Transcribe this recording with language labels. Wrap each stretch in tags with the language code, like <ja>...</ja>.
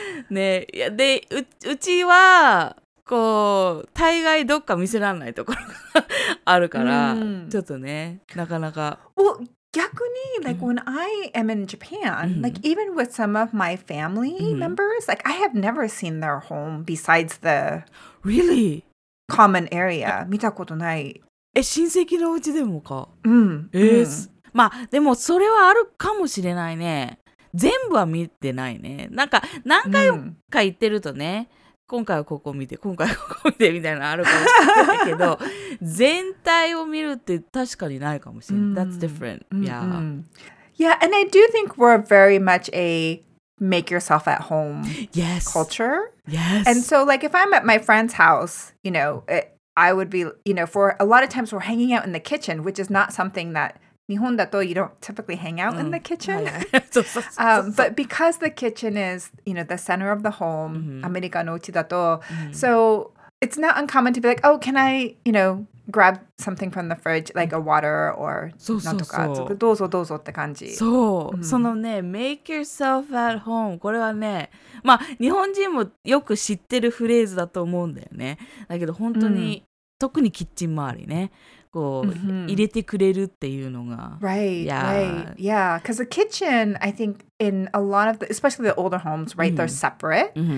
<ja>ね、いやで うちはこう大概どっか見せられないところがあるから、ちょっとね、なかなか。逆に、</ja> <en>like, when I am in Japan, like, even with some of my family members, like, I have never seen their home besides the really common area.</en> <ja>見たことない。え、親戚のお家でもか。まあ、でもそれはあるかもしれないね。全部は見てないね。なんか、何回か行ってるとね、今回はここ見て、今回はここ見てみたいなのあるかもしれないけど、全体を見るって確かにないかもしれない。</ja> <en>That's different. Yeah. Yeah, and I do think we're very much a make yourself at home culture. Yes. And so, like, if I'm at my friend's house, you know, I would be, you know, for a lot of times we're hanging out in the kitchen, which is not something that</en> <ja>日本だと</ja> <en>you don't typically hang out in the kitchen. But because the kitchen is, you know, the center of the home,</en> <ja>アメリカのうちだと,</ja> <en>so it's not uncommon to be like, oh, can I, you know, grab something from the fridge, like a water or</en> <ja>なんとか。どうぞどうぞって感じ。そう。そのね、</ja> <en>make yourself at home.</en> <ja>これはね、まあ、日本人もよく知ってるフレーズだと思うんだよね。だけど本当に、特にキッチン周りね。こう、入れてくれるっていうのが。</ja> <en>Right, yeah. right. Yeah, because the kitchen, I think, in a lot of, the, especially the older homes, right, they're separate.</en>